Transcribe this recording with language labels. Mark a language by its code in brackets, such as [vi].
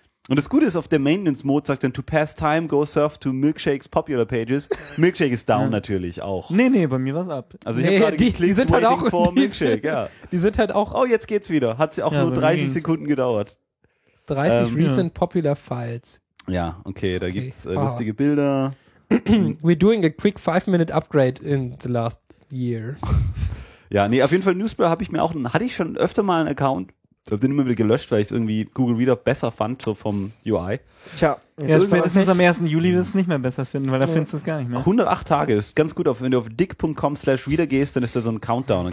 [de] Und das Gute ist, auf der Maintenance-Mode sagt dann, [en] to pass time, go surf to Milkshake's popular pages. [de] Milkshake ist down natürlich auch. Nee, bei mir war's ab. Also ich habe gerade geklickt, sind halt auch [en] for Milkshake, [de] Die sind halt auch... Oh, jetzt geht's wieder. Hat sie auch nur 30 Sekunden gedauert. [en] 30 recent popular files. [de] Ja, okay, da gibt's lustige Bilder. [en] We're doing a quick 5-minute upgrade in the last year. [de] Ja, nee, auf jeden Fall Newsblur hatte ich schon öfter mal einen Account. Ich hab den immer wieder gelöscht, weil ich es irgendwie Google Reader besser fand, so vom UI. Tja, spätestens am 1. Juli wirst du es nicht mehr besser finden, weil da findest du es gar nicht mehr. 108 Tage ist ganz gut, wenn du auf dick.com/reader gehst, dann ist da so ein Countdown.